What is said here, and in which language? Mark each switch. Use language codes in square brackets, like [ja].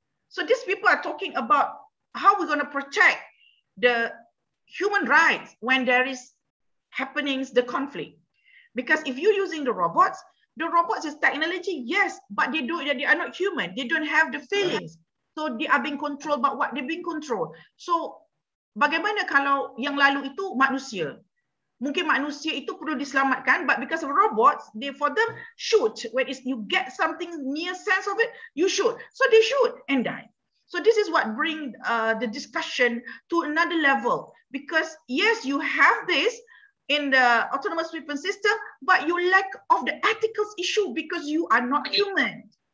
[en] So these people are talking about how we're going to protect the human rights when there is happenings, the conflict. Because if you're using the robots is technology, yes, but they are not human. They don't have the feelings. So they are being controlled, but what they being controlled. [id] So bagaimana kalau yang lalu itu manusia? Mungkin manusia itu perlu diselamatkan, [en] but because of robots, for them, shoot. When you get something near sense of it, you shoot. So they shoot and die. So this is what bring the discussion to another level. Because yes, you have this in the autonomous weapon system, but you lack of the ethical issue because you are not human.